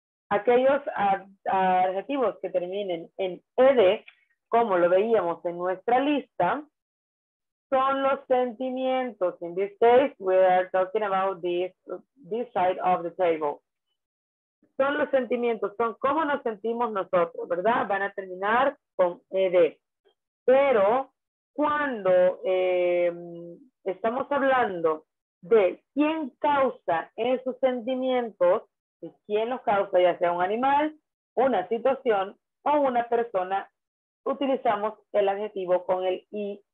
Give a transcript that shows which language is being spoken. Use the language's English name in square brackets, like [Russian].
[Spanish] Aquellos adjetivos que terminen en ed, como lo veíamos en nuestra lista, son los sentimientos. [English] In this case, we are talking about this side of the table. [Spanish] Son los sentimientos, son cómo nos sentimos nosotros, ¿verdad? Van a terminar con ed. Pero cuando estamos hablando de quién causa esos sentimientos, y quién los causa, ya sea un animal, una situación o una persona, utilizamos el adjetivo con el ing.